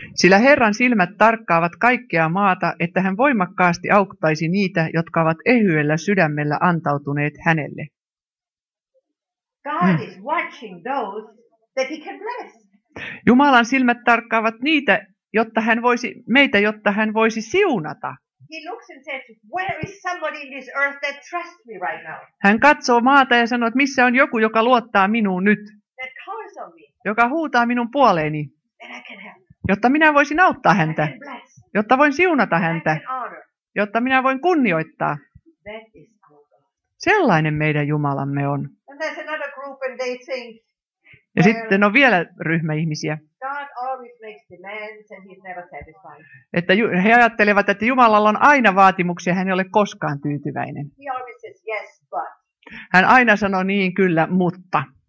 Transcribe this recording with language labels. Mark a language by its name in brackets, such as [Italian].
[Finnish] Sillä Herran silmät tarkkaavat kaikkea maata, että hän voimakkaasti auttaisi niitä, jotka ovat ehyellä sydämellä antautuneet hänelle. [English] God is watching those that he can bless. [Finnish] Jumalan silmät tarkkaavat niitä, jotta hän voisi meitä, jotta hän voisi siunata. [English] He looks and says, where is somebody in this earth that trusts me right now? [Finnish] Hän katsoo maata ja sanoo, että missä on joku, joka luottaa minuun nyt. [English] That calls on me. [Finnish] Joka huutaa minun puoleeni. [English] That I can help. [Finnish] Jotta minä voisin auttaa häntä. [English] That I can bless. [Finnish] Jotta voin siunata häntä. [English] That I can honor. [Finnish] Jotta minä voin kunnioittaa. [English] That is [Finnish] sellainen meidän Jumalamme on. [English] And there's another group and they think, [Finnish] ja sitten on vielä ryhmä ihmisiä. [English] God always makes demands and he's never satisfied. [Finnish] Että he ajattelevat, että Jumalalla on aina vaatimuksia, hän ei ole koskaan tyytyväinen. [English] He always says, yes, but. [Finnish] Hän aina sanoo niin, kyllä, mutta.